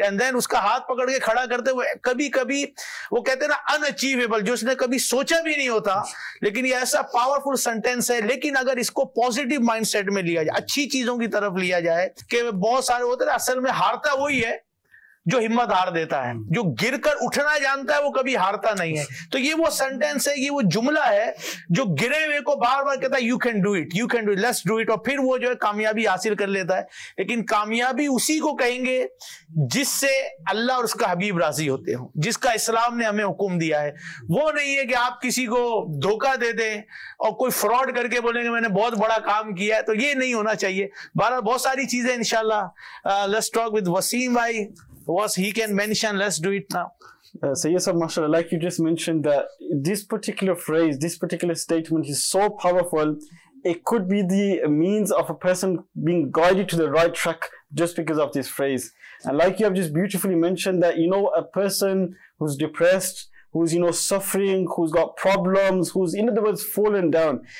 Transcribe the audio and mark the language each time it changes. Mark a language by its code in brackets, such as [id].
[hi] And then uska haath pakad ke khada karte hue kabhi kabhi wo kehte hai na unachievable, jo usne kabhi socha bhi nahi hota, lekin ye aisa powerful sentence hai. Lekin agar isko positive mindset mein liya jaye, achhi cheezon ki taraf liya jaye, ke bahut sare hote hai asal mein haarta wohi hai जो हिम्मत हार देता है, जो गिरकर उठना जानता है वो कभी हारता नहीं है. तो ये वो सेंटेंस है, ये वो जुमला है जो गिरे हुए को बार बार कहता है [en] you can do it, let's do it, [hi] और फिर वो जो है कामयाबी हासिल कर लेता है. लेकिन कामयाबी उसी को कहेंगे जिससे अल्लाह और उसका हबीब राजी होते हो, जिसका इस्लाम ने हमें हुक्म दिया है. वो नहीं है कि आप किसी को धोखा दे दें और कोई फ्रॉड करके बोलेंगे मैंने बहुत बड़ा काम किया है, तो ये नहीं होना चाहिए. बहरहाल बहुत सारी चीजें इंशाल्लाह. [en] Let's talk with Waseem भाई. Was he can mention, let's do it now. Sayyid, mashallah, like you just mentioned, that this particular phrase, this particular statement is so powerful. It could be the means of a person being guided to the right track just because of this phrase. And like you have just beautifully mentioned, that, you know, a person who's depressed, who's, you know, suffering, who's got problems, who's, in other words, fallen down.